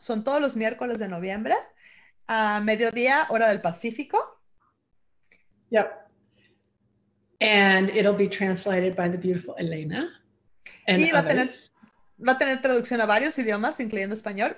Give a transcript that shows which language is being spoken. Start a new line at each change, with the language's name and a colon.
Spanish: Son todos los miércoles de noviembre a mediodía, hora del Pacífico.
English: Yep. And it'll be translated by the beautiful Elena and
Spanish: Y va a tener.
English: others.
Spanish: Va a tener traducción a varios idiomas, incluyendo español.